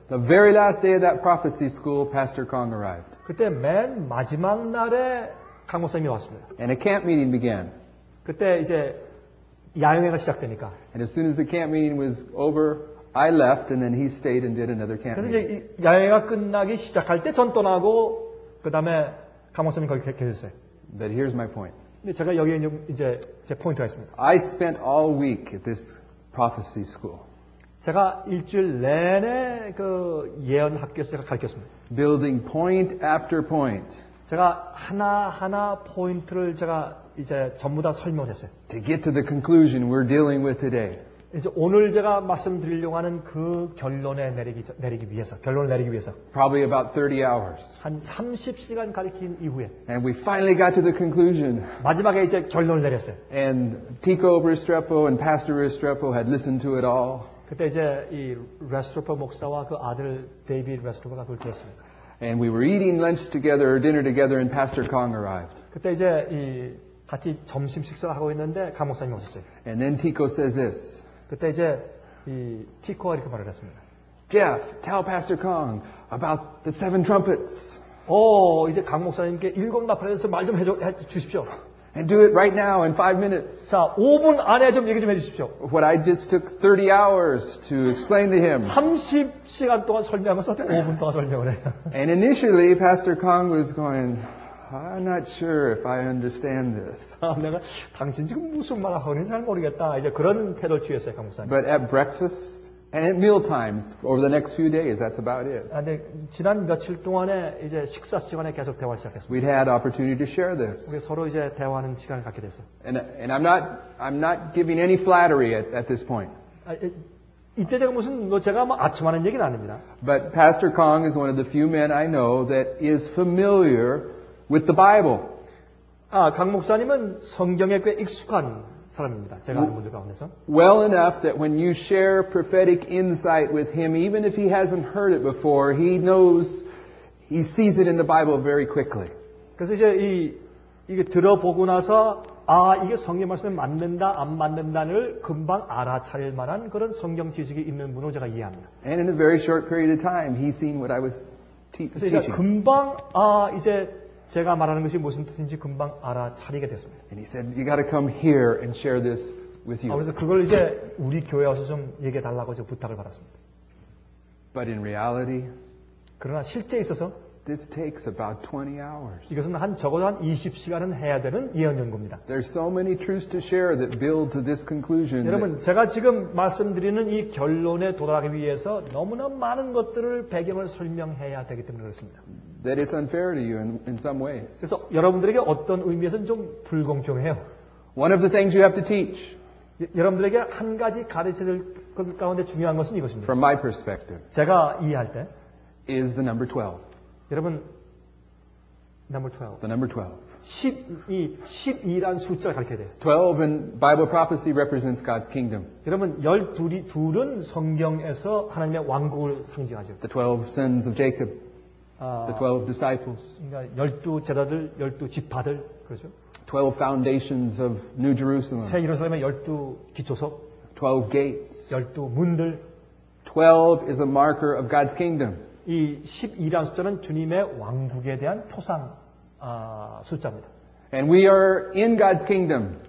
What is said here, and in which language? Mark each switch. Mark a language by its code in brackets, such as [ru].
[en] The very last day of that prophecy school, Pastor Kong arrived. [ko] 그때 맨 마지막 날에 강 목사님이 왔습니다. [en] And a camp meeting began. [ko] 그때 이제 야영회가 시작되니까. [en] And as soon as the camp meeting was over, I left, and then he stayed and did another camp meeting. [ko] 그래서 이제 야영회가 끝나기 시작할 때 전 떠나고 그 다음에 강 목사님 거기 계셨어요. [en] But here's my point. [ko] 근데 제가 여기에 이제 제 포인트가 있습니다. [en] I spent all week at this prophecy school. [ko] 제가 일주일 내내 그 예언 학교에서 제가 가르쳤습니다. [en] Building point after point. [ko] 제가 하나하나 포인트를 제가 이제 전부 다 설명했어요. [en] To get to the conclusion we're dealing with today. [ko] 이제 오늘 제가 말씀드리려고 하는 그 결론에 결론을 내리기 위해서. [en] Probably about 30 hours. [ko] 한 30시간 가르친 이후에. [en] And we finally got to the conclusion. [ko] 마지막에 이제 결론을 내렸어요. [en] And Tico Restrepo and Pastor Restrepo had listened to it all. [ko] 그때 이제 이 Restrepo 목사와 그 아들 데이비드 Restrepo가 그걸 들었습니다. [en] And we were eating lunch together or dinner together and Pastor Kong arrived. [ko] 그때 이제 이 같이 점심 식사를 하고 있는데 강 목사님이 오셨어요. [en] And then Tico says this. [ko] 그때 이제 이 티코가 이렇게 말을 했습니다. [en] Jeff, tell Pastor Kong about the 7 trumpets. [ko] 오, 이제 강 목사님께 일곱 나팔에서 말 좀 해 주십시오. [en] And do it right now in 5 minutes. [ko] 자, 5분 안에 좀 얘기 좀 해 주십시오. [en] What I just took 30 hours to explain to him. [ko] 30시간 동안 설명하면서 어떻게 5분 동안 설명을 해요. [en] And initially, Pastor Kong was going, I'm not sure if I understand this. [ko] 내가 당신 지금 무슨 말 하는지 잘 모르겠다. 이제 그런 태도를 취했어요, 강 목사님. [en] But at breakfast and at meal times over the next few days, that's about it. [ko] 근데 지난 며칠 동안에 이제 식사 시간에 계속 대화 시작했습니다. [en] We had opportunity to share this. [ko] 우리 서로 이제 대화하는 시간을 갖게 됐어. [en] And I'm not giving any flattery at this point. [ko] 이때 제가 무슨 뭐 제가 뭐 아첨하는 얘기는 아닙니다. [en] But Pastor Kong is one of the few men I know that is familiar with the Bible. [ko] 아, 강 목사님은 성경에 꽤 익숙한 사람입니다. 제가 아는 분들 가운데서. [en] Well enough that when you share prophetic insight with him, even if he hasn't heard it before, he knows, he sees it in the Bible very quickly. [ko] 그래서 이제 이게 들어보고 나서 아, 이게 성경 말씀에 맞는다, 안 맞는다를 금방 알아차릴 만한 그런 성경 지식이 있는 분으로 제가 이해합니다. [en] And in a very short period of time, he seen what I was teaching. [ko] 그래서 이제 금방 제가 말하는 것이 무슨 뜻인지 금방 알아차리게 됐습니다. [en] And he said, you got to come here and share this with you. [ko] 그래서 그걸 이제 우리 교회 와서 좀 얘기해 달라고 좀 부탁을 받았습니다. [en] But in reality, [ko] 그러나 실제 있어서 [en] this takes about 20 hours. [ko] 이것은 적어도 한 20시간은 해야 되는 예언 연구입니다. [en] There's so many truths to share that build to this conclusion. [ko] 여러분, 제가 지금 말씀드리는 이 결론에 도달하기 위해서 너무나 많은 것들을 배경을 설명해야 되기 때문에 그렇습니다. [en] That it's unfair to you in some ways. [ko] 그래서 여러분들에게 어떤 의미에서는 좀 불공평해요. [en] One of the things you have to teach. [ko] 여러분들에게 한 가지 가르쳐야 될 그 가운데 중요한 것은 이것입니다. [en] From my perspective, [ko] 제가 이해할 때, [en] is the number 12. [ko] 여러분, number 12. [en] The number 12. [ko] 12이란 숫자를 가르쳐야 돼요. [en] 12 in Bible prophecy represents God's kingdom. [ko] 여러분, 12은 성경에서 하나님의 왕국을 상징하죠. [en] The 12 sons of Jacob. The 12 disciples. [ko] 그러니까 12 제자들, 12 지파들, 그렇죠? [en] 12 foundations of New Jerusalem. [ko] 새 예루살렘의 12 기초석. [en] 12 gates. [ko] 12 문들. [en] 12 is a marker of God's kingdom. [ko] 이 12라는 숫자는 주님의 왕국에 대한 토상 숫자입니다. [en] And we are in God's kingdom.